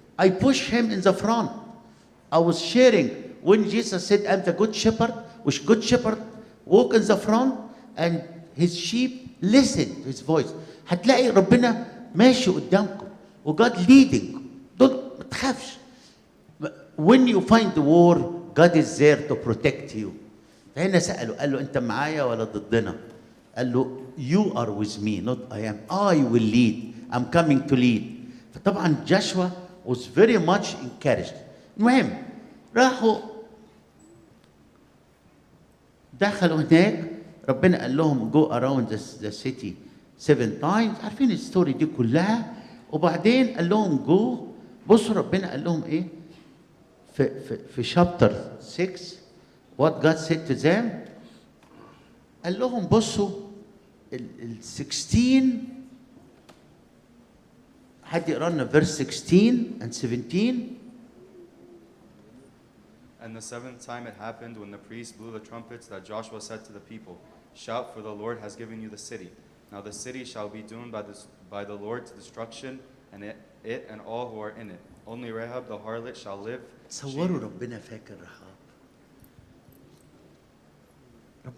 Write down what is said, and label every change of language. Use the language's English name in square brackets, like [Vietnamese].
[English] I push him in the front. I was sharing when Jesus said, I'm the good shepherd, which good shepherd walk in the front and his sheep listen to his voice. [Arabic] هتلاقي ربنا ماشي قدامكم. [English] God leading. Don't have. When you find the war, God is there to protect you. [Arabic] فهنا سألوا قال له أنت معايا ولا ضدنا؟ قال له [English] you are with me, not I am. I will lead. I'm coming to lead. فطبعا Joshua was very much encouraged. [Arabic] المهم راحوا دخلوا هناك ربنا قال لهم [English] go around the city 7 times. [Arabic] عارفين الستوري دي كلها. وبعدين قال لهم go. بصوا ربنا قال لهم ايه في شابتر 6 [English] what God said to them. [Arabic] قال لهم بصوا ال 16 حد يقرا لنا [English] verse 16 and 17. And the seventh time it happened when the priest blew the trumpets that Joshua said to the people, shout, for the Lord has given you the city. Now the city shall be doomed by the Lord to destruction, and it and all who are in it. Only Rahab the harlot shall live. [Arabic] تصوروا ربنا فاكر رهاب.